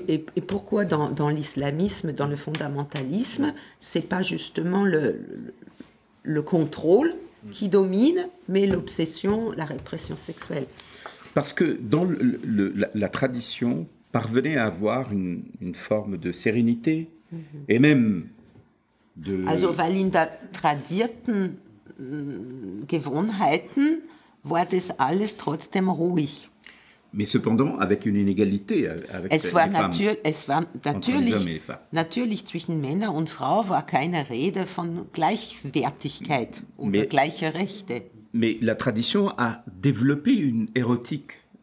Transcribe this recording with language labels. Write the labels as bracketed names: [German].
[French] Et pourquoi dans l'islamisme, dans le fondamentalisme, c'est pas justement le contrôle qui domine, mais l'obsession, la répression sexuelle? Parce que dans la tradition parvenait à avoir une forme de sérénité et même de... [German] Also, weil in der tradierten Gewohnheiten war das alles trotzdem ruhig. [French] Mais cependant, avec une inégalité avec [German] es war es war natürlich, [French] entre les hommes et les femmes. [German] Natürlich, zwischen Männer und Frau war keine Rede von Gleichwertigkeit oder gleiche Rechte. [French] Mais la tradition a développé une érotique...